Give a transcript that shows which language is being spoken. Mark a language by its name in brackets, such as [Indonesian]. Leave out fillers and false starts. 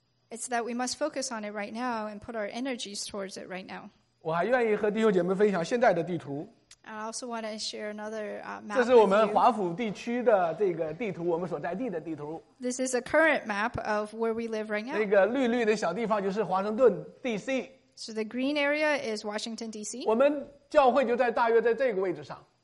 [English] It's that we must focus on it right now and put our energies towards it right now. [Chinese] 我还愿意和弟兄姐妹分享现在的地图。 [English] I also want to share another map. [Chinese] 这是我们华府地区的这个地图，我们所在地的地图。 [English] This is a current map of where we live right now. [Chinese] 那个绿绿的小地方就是华盛顿 DC. [English] So the green area is Washington DC. [Chinese] 我们教会就在大约在这个位置上。